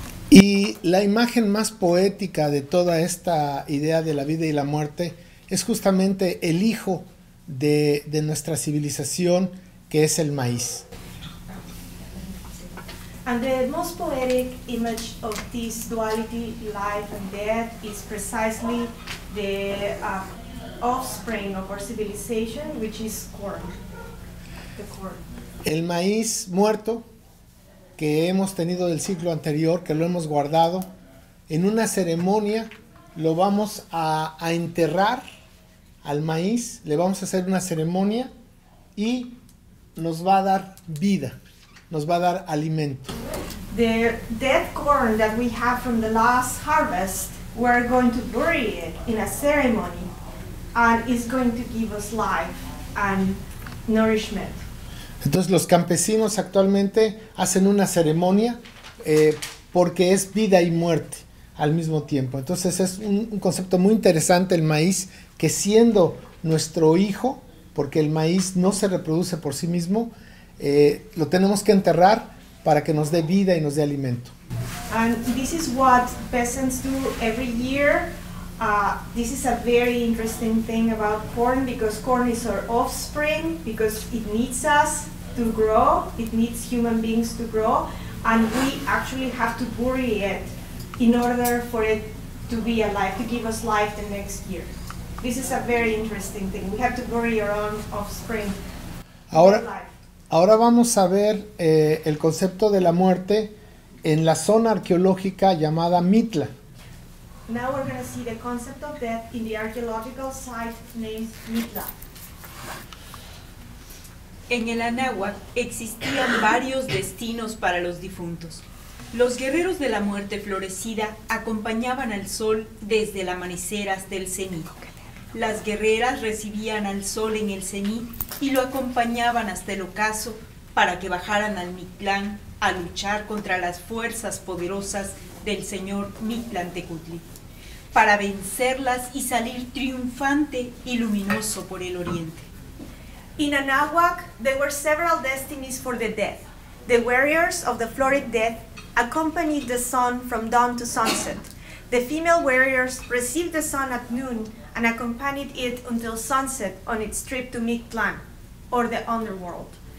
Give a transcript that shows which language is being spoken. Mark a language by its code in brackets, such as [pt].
[es] Y la imagen más poética de toda esta idea de la vida y la muerte es justamente el hijo de nuestra civilización, que es el maíz. [en] And the most poetic image of this duality, life and death, is precisely the offspring of our civilization, which is corn, the corn. [es] El maíz muerto que hemos tenido del ciclo anterior, que lo hemos guardado, en una ceremonia lo vamos a enterrar al maíz, le vamos a hacer una ceremonia y nos va a dar vida, nos va a dar alimento. [en] The dead corn that we have from the last harvest, we're going to bury it in a ceremony and it's going to give us life and nourishment. [es] Entonces los campesinos actualmente hacen una ceremonia porque es vida y muerte al mismo tiempo. Entonces es un concepto muy interesante el maíz, que siendo nuestro hijo, porque el maíz no se reproduce por sí mismo, lo tenemos que enterrar para que nos dé vida y nos dé alimento. [en] And this is what peasants do every year. This is a very interesting thing about corn, because corn is our offspring, because it needs us to grow, it needs human beings to grow, and we actually have to bury it in order for it to be alive, to give us life the next year. This is a very interesting thing. We have to bury our own offspring. [es] Ahora vamos a ver el concepto de la muerte en la zona arqueológica llamada Mitla. [en] Now we're going to see the concept of death in the archaeological site named Mitla. [es] En el Anáhuac existían varios destinos para los difuntos. Los guerreros de la muerte florecida acompañaban al sol desde el amanecer hasta el cenit. Las guerreras recibían al sol en el cenit y lo acompañaban hasta el ocaso para que bajaran al Mictlán a luchar contra las fuerzas poderosas del señor Mictlantecutli, para vencerlas y salir triunfante y luminoso por el oriente. [en] In Anáhuac, there were several destinies for the dead. The warriors of the florid death accompanied the sun from dawn to sunset. The female warriors received the sun at noon and accompanied it until sunset on its trip to Mictlán, or the underworld.